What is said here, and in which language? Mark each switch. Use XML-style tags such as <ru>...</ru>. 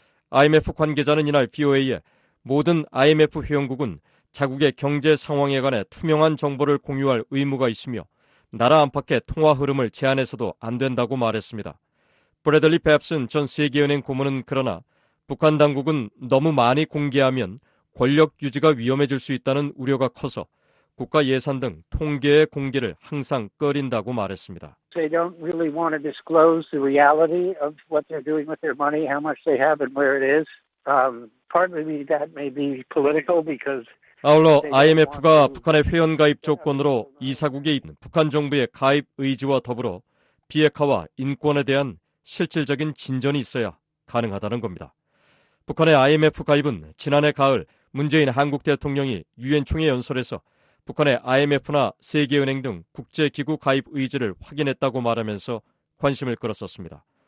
<ko>IMF 관계자는 이날 VOA에 모든 IMF 회원국은 자국의 경제 상황에 관해 투명한 정보를 공유할 의무가 있으며 나라 안팎의 통화 흐름을 제한해서도 안 된다고 말했습니다. 브래들리 뱁슨 전 세계은행 고문은 그러나 북한 당국은 너무 많이 공개하면 권력 유지가 위험해질 수 있다는 우려가 커서 국가 예산 등 통계의 공개를 항상 꺼린다고 말했습니다.</ko> <en>They don't really want to disclose the reality of what they're doing with their money, how much they have and where it is. Partly that may be political because</en> <ko>아울러 IMF가 북한의 회원 가입 조건으로 이사국에 있는 북한 정부의 가입 의지와 더불어 비핵화와 인권에 대한 실질적인 진전이 있어야 가능하다는 겁니다. 북한의 IMF 가입은 지난해 가을 문재인 한국 대통령이 유엔 총회 연설에서 북한의 IMF나 세계은행 등 국제기구 가입 의지를 확인했다고 말하면서 관심을 끌었었습니다.</ko>